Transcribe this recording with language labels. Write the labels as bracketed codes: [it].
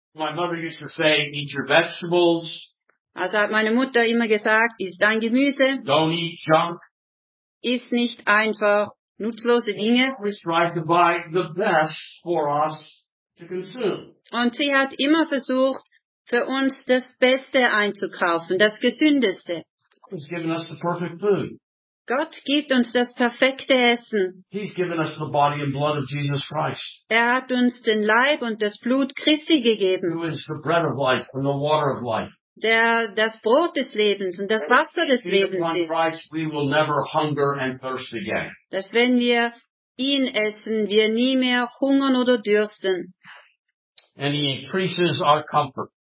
[en] My mother used to say, eat your vegetables. [de] Also hat meine Mutter immer gesagt, iss dein Gemüse. [en] Don't eat junk. [de] Iss nicht einfach nutzlose Dinge. [en] We strive to buy the best for us to consume. [de] Und sie hat immer versucht, für uns das Beste einzukaufen, das Gesündeste. [en] He's given us the perfect food. [de] Gott gibt uns das perfekte Essen. [en] He's given us the body and blood of Jesus Christ. [de] Er hat uns den Leib und das Blut Christi gegeben. [en] Who is the bread of life and the water of life. [de] Der das Brot des Lebens und das Wasser des Lebens ist. [en] Christ, we will never hunger and thirst again. [de] Dass wenn wir ihn essen, wir nie mehr hungern oder dürsten. [en] And he increases our comfort.